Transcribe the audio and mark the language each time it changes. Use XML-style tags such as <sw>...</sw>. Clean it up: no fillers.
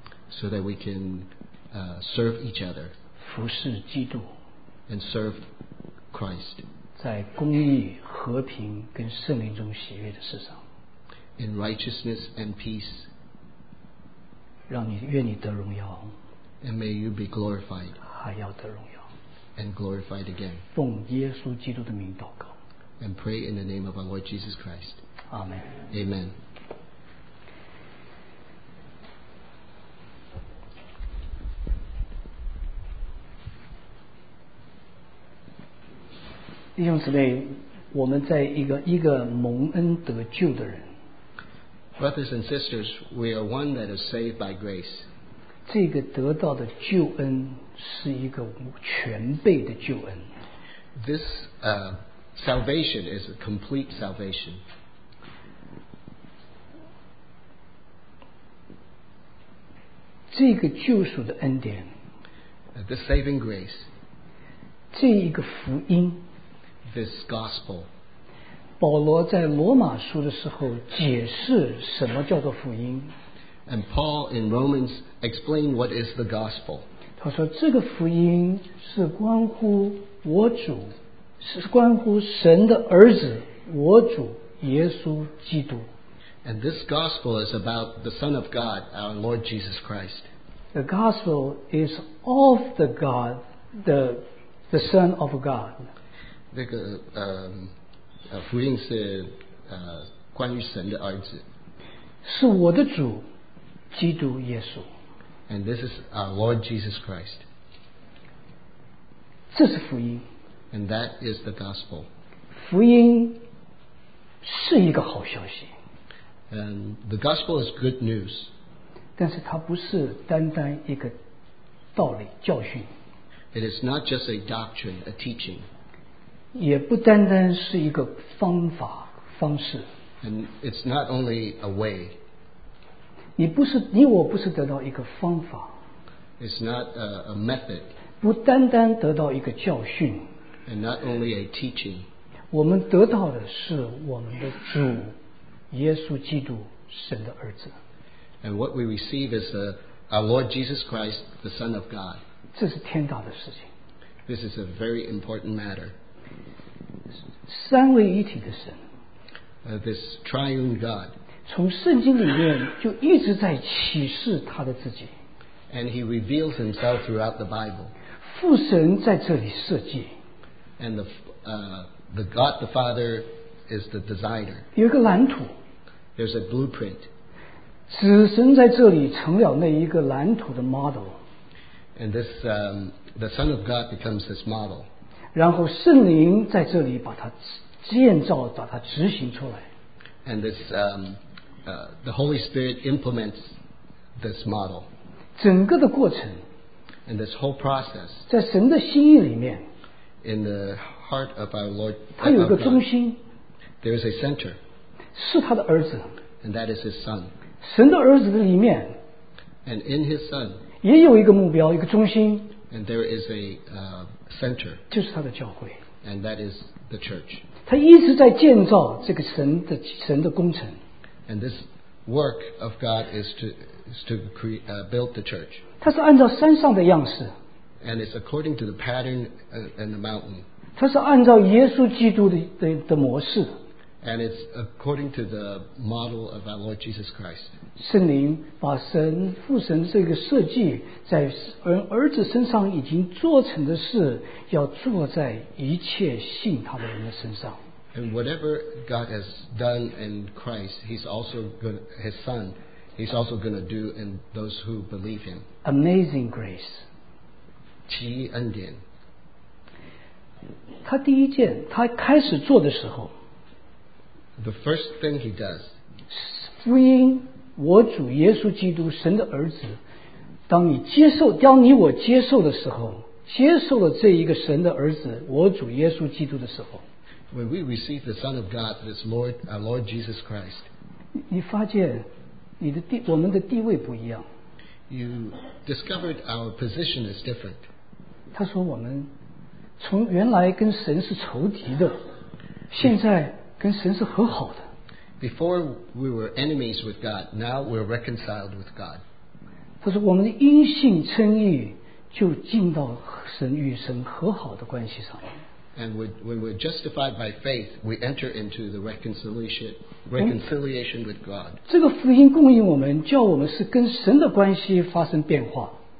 <en>So that we can serve each other.</en> <zh>服侍基督。</zh> <en>And serve Christ.</en> <zh>在公义、和平跟圣灵中喜悦的事上</zh> <en>，In righteousness and peace，</en> <zh>让你愿你得荣耀</zh> <en>，And may you be glorified，</en> <zh>还要得荣耀</zh> <en>，And glorified again，</en> <zh>奉耶稣基督的名祷告</zh> <en>，And pray in the name of our Lord Jesus Christ， Amen， Amen。</en> <zh>弟兄姊妹，我们在一个蒙恩得救的人。</zh> <en>Brothers and sisters, we are one that is saved by grace.</en> <zh>这个得到的救恩是一个全备的救恩。</zh> <en>This salvation is a complete salvation.</en> <zh>这个救赎的恩典。</zh> <en>The saving grace.</en> <zh>这一个福音。</zh> <en>This gospel.</en> <zh>保罗在罗马书的时候解释什么叫做福音。</zh> <en>And Paul in Romans explained what is the gospel.</en> <zh>他说这个福音是关乎我主，是关乎神的儿子，我主耶稣基督。</zh> <en>And this gospel is about the Son of God, our Lord Jesus Christ. The gospel is of the God, the Son of God.</en> <zh>那个福音是关于神的儿子，是我的主，基督耶稣。</zh> <en>And this is our Lord Jesus Christ.</en> <zh>这是福音。</zh> <en>And that is the gospel.</en> <zh>福音是一个好消息。</zh> <en>And the gospel is good news.</en> <zh>但是它不是单单一个道理教训。</zh> <en>It is not just a doctrine, a teaching.</en> <zh>也不单单是一个方法方式</zh> <en>and it's not only a way</en> <zh>你我不是得到一个方法</zh> <en>it's not a method</en> <zh>不单单得到一个教训</zh> <en>and not only a teaching</en> <zh>我们得到的是我们的主耶稣基督神的儿子</zh> <en>and what we receive is our Lord Jesus Christ the Son of God</en> <zh>这是天大的事情</zh> <en>this is a very important matter</en> <zh>三位一体的神</zh> <en>this triune God</en> <zh>从圣经里面就一直在启示他的自己</zh> <en>and he reveals himself throughout the Bible</en> <zh>父神在这里设计</zh> <en>and the God the Father is the designer</en> <zh>有一个蓝图</zh> <en>there's a blueprint</en> <zh>子神在这里成了那一个蓝图的 model</zh> <en>and this the Son of God becomes this model</en> <zh>然后圣灵在这里把它建造把它执行出来</zh> <en>and this the Holy Spirit implements this model</en> <zh>整个的过程</zh> <en>and this whole process</en> <zh>在神的心意里面</zh> <en>in the heart of our Lord</en> <zh>他有一个中心</zh> <en>there is a center</en> <zh>是他的儿子</zh> <en>and that is his son</en> <zh>神的儿子的里面</zh> <en>and in his son</en> <zh>也有一个目标一个中心</zh> <en>And there is a center.</en> <zh>就是他的教会。</zh> <en>And that is the church.</en> <zh>他一直在建造这个神的工程。</zh> <en>And this work of God is to create, build the church.</en> <zh>他是按照山上的样式。</zh> <en>And it's according to the pattern and the mountain.</en> <zh>他是按照耶稣基督的模式。</zh> <en>And it's according to the model of our Lord Jesus Christ.</en> <zh>圣灵把神父神这个设计在儿子身上已经做成的事要做在一切信他的人的身上。</zh> <en>And whatever God has done in Christ, his son, he's also going to do in those who believe him. Amazing grace.</en> <zh>奇异恩典。他第一件他开始做的时候</zh> <en>The first thing he does</en> <zh>福音我主耶稣基督神的儿子当你接受当你我接受的时候接受了这一个神的儿子我主耶稣基督的时候</zh> <en>When we receive the Son of God this Lord, our Lord Jesus Christ</en> <zh>你发现你的地我们的地位不一样</zh> <en>You discovered our position is different</en> <zh>他说我们从原来跟神是仇敌的现在跟神是和好的</zh> <en>Before we were enemies with God now we're reconciled with God</en> <zh>他说我们的因信称义就进到神与神和好的关系上</zh> <en>And when we're justified by faith we enter into the reconciliation with God</en> <zh>这个福音供应我们叫我们是跟神的关系发生变化</zh>